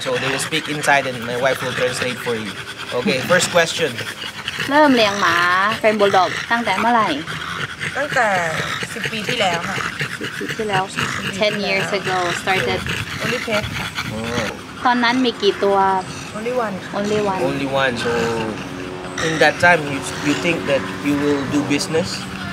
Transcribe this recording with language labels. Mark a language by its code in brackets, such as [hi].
[en] So, they will speak inside and my wife will translate for you. Okay, first question. [th] เริ่มเลี้ยงหมาเป็นบูลด็อกตั้งแต่เมื่อไหร่ตั้งแต่10ปีที่แล้วค่ะ 10ปีที่แล้ว [en] 10 years ago started only pet ตอนนั้นมีกี่ตัว only one so in that time you think that you will do business